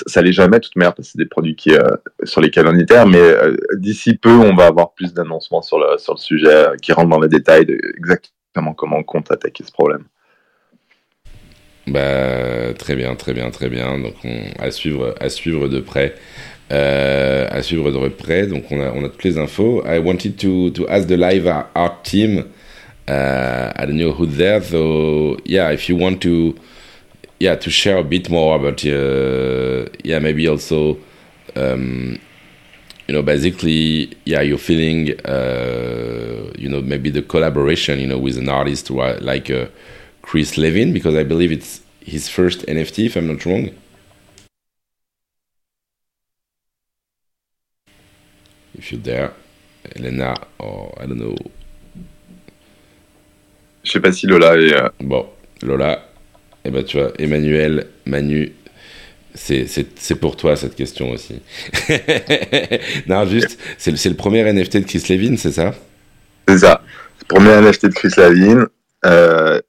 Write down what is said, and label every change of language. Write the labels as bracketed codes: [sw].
[fr] Ça l'est jamais de toute manière parce que c'est des produits qui sur lesquels on itère, mais d'ici peu on va avoir plus d'annoncements sur le sujet qui rentrent dans les détails de exactement comment on compte attaquer ce problème. Bah, très bien. Donc, à suivre de près. À suivre de près. Donc, on a toutes les infos. [en] I wanted to ask the live art team. I don't know who's there. So, yeah, if you want to, yeah, to share a bit more about, yeah, maybe also, you know, basically, yeah, you're feeling, you know, maybe the collaboration, you know, with an artist like Chris Levine, because I believe it's his first NFT, if I'm not wrong. If you're there, Elena, or I don't know. [fr] Je sais pas si Lola est... Bon, Lola, eh ben tu vois, Emmanuel, Manu, c'est pour toi cette question aussi. Non, juste, c'est le premier NFT de Chris Levine, c'est ça? C'est ça, le premier NFT de Chris Levine.